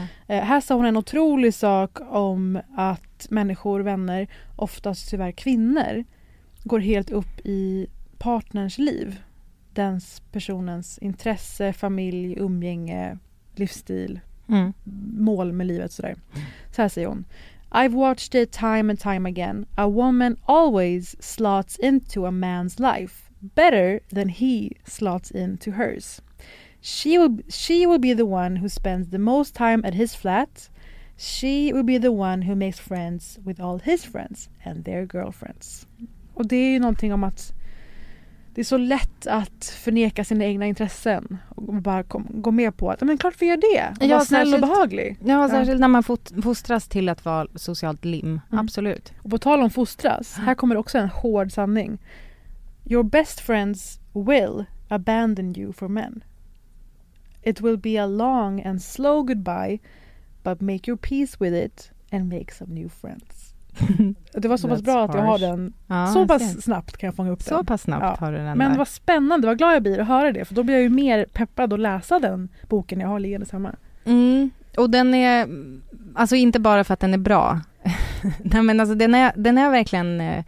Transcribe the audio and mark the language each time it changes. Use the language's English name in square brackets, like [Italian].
[Swedish] Här sa hon en otrolig sak om att människor, vänner, oftast tyvärr kvinnor, går helt upp i partners liv, dens personens intresse, familj, umgänge, livsstil, mål med livet, sådär. Så här säger hon: [English] I've watched it time and time again. A woman always slots into a man's life better than he slots into hers. She will be the one who spends the most time at his flat. She will be the one who makes friends with all his friends and their girlfriends. [Swedish] Och det är ju någonting om att det är så lätt att förneka sina egna intressen och bara gå med på att, men klart vi gör det. Och ja, snäll och behaglig. Ja, särskilt när man fostras till att vara socialt lim. Absolut. Och på tal om fostras, här kommer också en hård sanning. [English] Your best friends will abandon you for men. It will be a long and slow goodbye, but make your peace with it and make some new friends. [Swedish] Det var så pass bra att jag har den. Ja, så pass snabbt kan jag fånga upp den. Så pass snabbt har du den där. Men vad spännande, vad glad jag blir att höra det. För då blir jag ju mer peppad att läsa den boken jag har liggande hemma. Och den är, alltså inte bara för att den är bra. Nej, men alltså den är verkligen...